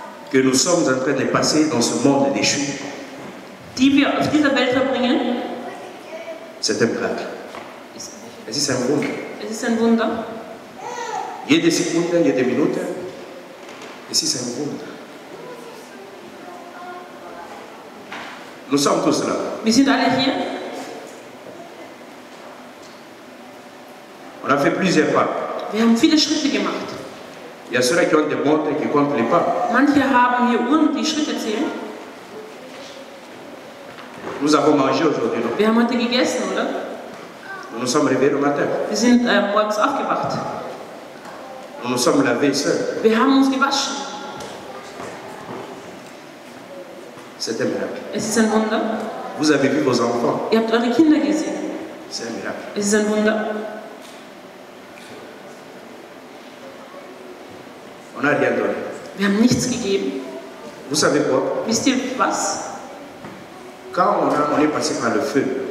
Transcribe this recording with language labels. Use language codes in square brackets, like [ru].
[fr] que nous sommes en train de passer dans ce monde déchu, [de] die wir auf dieser Welt verbringen, [fr] c'est un miracle. [de] Es ist ein Wunder. Es ist ein Wunder. Jede Sekunde, jede Minute, es ist ein Wunder. [fr] Nous sommes tous là. [de] Wir sind alle hier. [fr] On a fait plusieurs pas. [de] Wir haben viele Schritte gemacht. [fr] Il y a ceux qui ont des montres et qui comptent les pas. [de] Manche haben hier Uhren, die Schritte zählen. [fr] Nous avons mangé aujourd'hui, non? [de] Wir haben heute gegessen, oder? [fr] Nous nous sommes réveillés le matin. [de] Wir sind morgens aufgewacht. [fr] Nous nous sommes lavés seuls. [de] Wir haben uns gewaschen. [fr] C'est un miracle. [de] Es ist ein Wunder. [fr] Vous avez vu vos enfants. [de] Ihr habt eure Kinder gesehen. [fr] C'est un miracle. [de] Es ist ein Wunder. [fr] On a rien donné. [de] Wir haben nichts gegeben. [fr] Vous savez quoi? [de] Wisst ihr was? [fr] Quand on est passé par le feu,